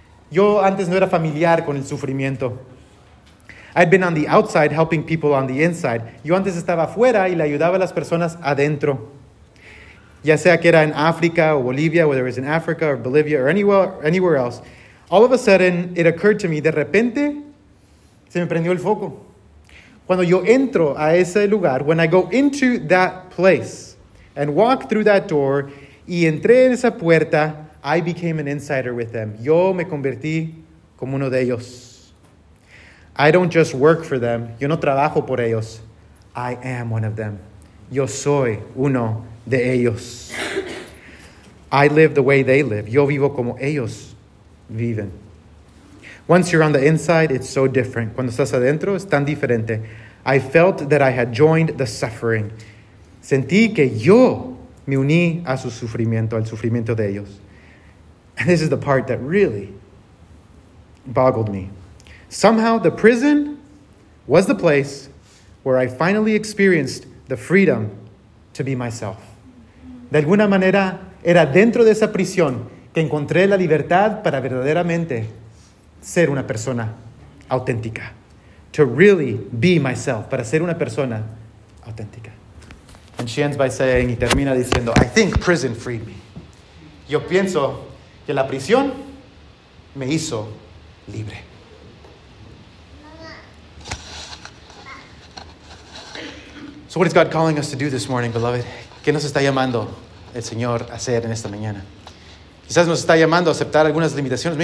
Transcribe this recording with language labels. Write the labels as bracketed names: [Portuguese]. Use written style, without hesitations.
[Spanish] Yo antes no era familiar con el sufrimiento. [English] I'd been on the outside helping people on the inside. [Spanish] Yo antes estaba afuera y le ayudaba a las personas adentro. Ya sea que era en África o Bolivia, [English] whether it was in Africa or Bolivia or anywhere else. All of a sudden, it occurred to me, [Spanish] de repente, se me prendió el foco. Cuando yo entro a ese lugar, [English] when I go into that place and walk through that door, [Spanish] y entré en esa puerta, [English] I became an insider with them. [Spanish] Yo me convertí como uno de ellos. [English] I don't just work for them. [Spanish] Yo no trabajo por ellos. [English] I am one of them. [Spanish] Yo soy uno de ellos. [English] I live the way they live. [Spanish] Yo vivo como ellos viven. [English] Once you're on the inside, it's so different. [Spanish] Cuando estás adentro, es tan diferente. [English] I felt that I had joined the suffering. [Spanish] Sentí que yo me uní a su sufrimiento, al sufrimiento de ellos. [English] And this is the part that really boggled me. Somehow the prison was the place where I finally experienced the freedom to be myself. [Spanish] De alguna manera, era dentro de esa prisión que encontré la libertad para verdaderamente ser una persona auténtica. [English] To really be myself, [Spanish] para ser una persona auténtica. [English] And she ends by saying, [Spanish] y termina diciendo, [English] I think prison freed me. [Spanish] Yo pienso que la prisión me hizo libre. [English] So what is God calling us to do this morning, beloved? [Spanish] ¿Qué nos está llamando el Señor a hacer en esta mañana? Quizás nos está llamando a aceptar algunas limitaciones.